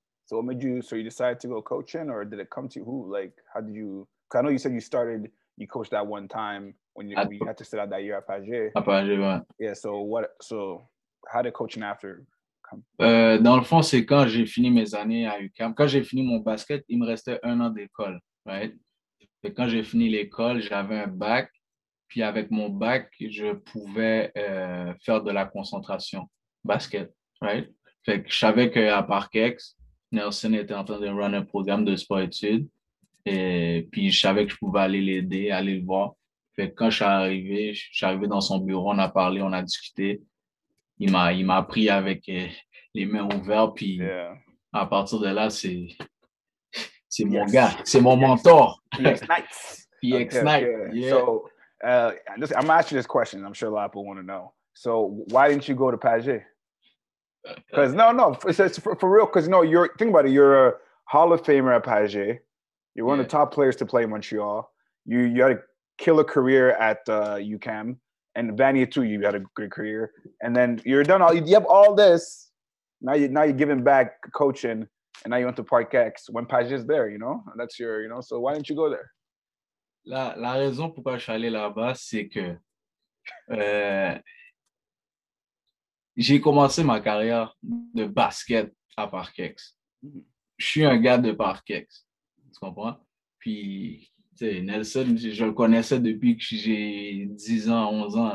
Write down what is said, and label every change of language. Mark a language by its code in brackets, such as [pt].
[en] So what made you, you decided to go coaching, or did it come to you, who, like, how did you, because I know you said you coached that one time when you had to sit out that year à Pagé, [fr] ouais. [en] Yeah, so how did coaching after? [fr] Dans le fond, c'est quand j'ai fini mes années à UCAM. Quand j'ai fini mon basket, il me restait un an d'école. Right? Et quand j'ai fini l'école, j'avais un bac. Puis avec mon bac, je pouvais faire de la concentration basket. Right? Fait que je savais qu'à Parkex, Nelson était en train de run un programme de sport-études. Et puis je savais que je pouvais aller l'aider, aller le voir. Fait que quand je suis arrivé dans son bureau, on a parlé, on a discuté. Il m'a pris avec les mains ouvertes, puis à partir de là, c'est mon gars, c'est mon mentor. PX Knights. [en] Okay. So, I'm asking this question, I'm sure a lot of people want to know. So, why didn't you go to Pagé? Because, no, it's for real, because, no, you're, think about it, you're a Hall of Famer at Pagé, you're one of the top players to play in Montreal, you had a killer career at UCAM, and Vanier too, you had a great career. And then you're done all, you have all this. Now you're giving back coaching, and now you went to Park X when Pagé's there, you know? And that's your, you know, so why didn't you go there? [fr] La raison pourquoi je suis allé là-bas, c'est que j'ai commencé ma carrière de basket à Park X. Je suis un gars de Park X, tu comprends? Puis, tu sais, Nelson, je le connaissais depuis que j'ai 10 ans, 11 ans.